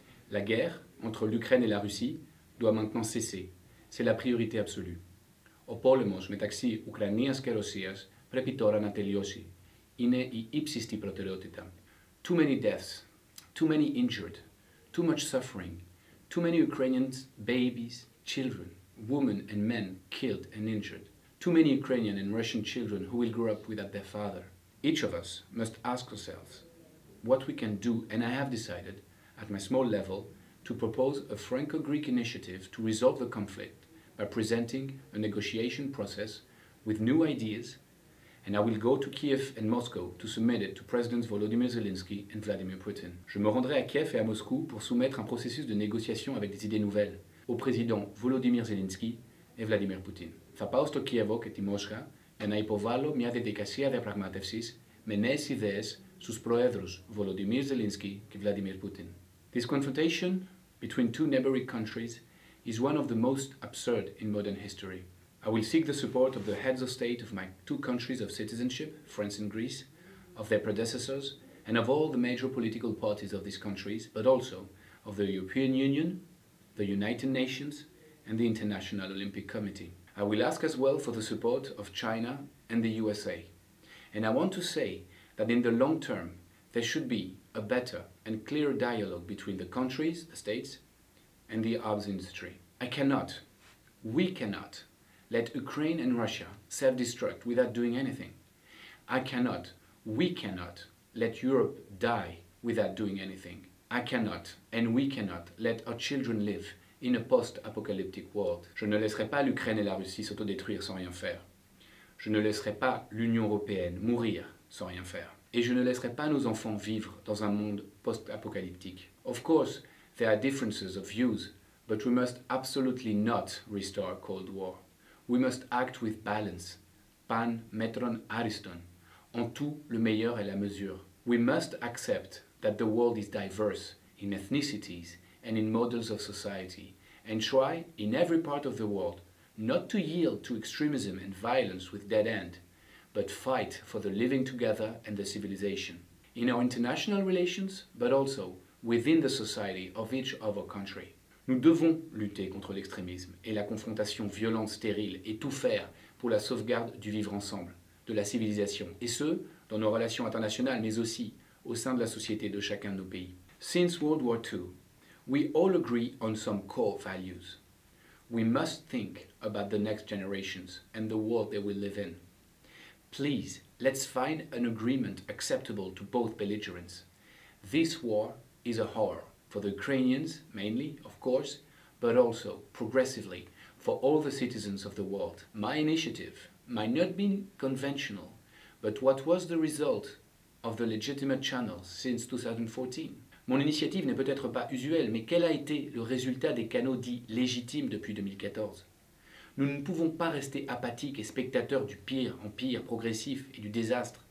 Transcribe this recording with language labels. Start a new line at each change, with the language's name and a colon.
French: La guerre entre l'Ukraine et la Russie doit maintenant cesser. C'est la priorité absolue.
Greek: Ο πόλεμος μεταξύ Ουκρανίας και Ρωσίας πρέπει τώρα να τελειώσει. Είναι η ύψιστη προτεραιότητα.
English: Too many deaths, too many injured, too much suffering, too many Ukrainians, babies, children, women and men killed and injured, too many Ukrainian and Russian children who will grow up without their father. Each of us must ask ourselves what we can do, and I have decided, at my small level, to propose a Franco-Greek initiative to resolve the conflict by presenting a negotiation process with new ideas, and I will go to Kiev and Moscow to submit it to Presidents Volodymyr Zelensky and Vladimir Putin.
French: Je me rendrai à Kiev et à Moscou pour soumettre un processus de négociation avec des idées nouvelles au président Volodymyr Zelensky et Vladimir Putin.
Greek: Θα πάω στο Κίεβο και τη Μόσχα για να υποβάλω μια διαδικασία διαπραγμάτευσης με νέες ιδέες στους προέδρους Volodymyr Zelensky και Vladimir Putin.
English: This confrontation between two neighboring countries is one of the most absurd in modern history. I will seek the support of the heads of state of my two countries of citizenship, France and Greece, of their predecessors, and of all the major political parties of these countries, but also of the European Union, the United Nations, and the International Olympic Committee. I will ask as well for the support of China and the USA. And I want to say that in the long term, there should be a better and clearer dialogue between the countries, the states, and the arms industry. I cannot, we cannot, let Ukraine and Russia self-destruct without doing anything. I cannot, we cannot, let Europe die without doing anything. I cannot, and we cannot, let our children live in a post-apocalyptic world.
French: Je ne laisserai pas l'Ukraine et la Russie s'autodétruire sans rien faire. Je ne laisserai pas l'Union européenne mourir sans rien faire. Et je ne laisserai pas nos enfants vivre dans un monde post-apocalyptique.
English: Of course, there are differences of views, but we must absolutely not restore a Cold War. We must act with balance,
Greek: pan metron ariston,
French: en tout le meilleur est la mesure.
English: We must accept that the world is diverse in ethnicities and in models of society, and try in every part of the world not to yield to extremism and violence with dead end, but fight for the living together and the civilization. In our international relations, but also within the society of each of our country.
French: Nous devons lutter contre l'extrémisme et la confrontation violente, stérile, et tout faire pour la sauvegarde du vivre ensemble, de la civilisation, et ce, dans nos relations internationales, mais aussi au sein de la société de chacun de nos pays.
English: Since World War II, we all agree on some core values. We must think about the next generations and the world they will live in. Please, let's find an agreement acceptable to both belligerents. This war is a horror for the Ukrainians, mainly, of course, but also, progressively, for all the citizens of the world. My initiative might not be conventional, but what was the result of the legitimate channels since 2014?
French: Mon initiative n'est peut-être pas usuelle, mais quel a été le résultat des canaux dits légitimes depuis 2014? Nous ne pouvons pas rester apathiques et spectateurs du pire en pire progressif et du désastre.